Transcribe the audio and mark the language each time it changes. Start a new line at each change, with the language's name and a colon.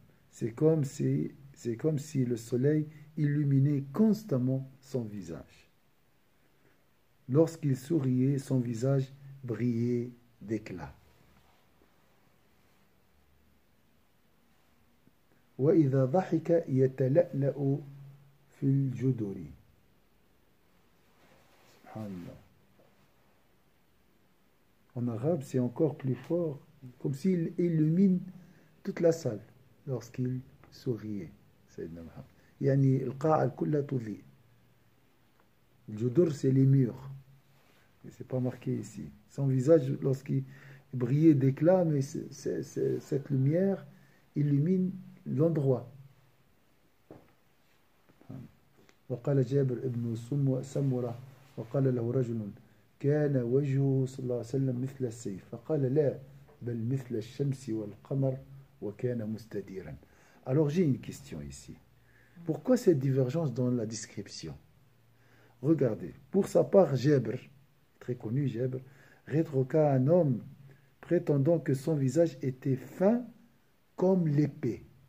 French: C'est comme si le soleil illuminait constamment son visage. Lorsqu'il souriait, son visage brillait d'éclat.
Arabic: وإذا ضحك يتلألأ في الجدور. سبحان الله.
French: En arabe, c'est encore plus fort, comme s'il illumine toute la salle lorsqu'il souriait.
Arabic: يعني القاعة كلها تضيء.
French: الجدور c'est les murs. C'est pas marqué ici. Son visage, lorsqu'il brillait d'éclat, mais cette lumière illumine l'endroit.
Arabic: وقال جابر ابن سمرة وقال له رجل كان وجهه صلى الله عليه وسلم مثل السيف فقال لا بل مثل الشمس والقمر وكان مستديرا.
French: Alors j'ai une question ici. Pourquoi cette divergence dans la description? Regardez, pour sa part, Jabr, très connu Jabr, rétorqua un homme prétendant que son visage était fin comme l'épée.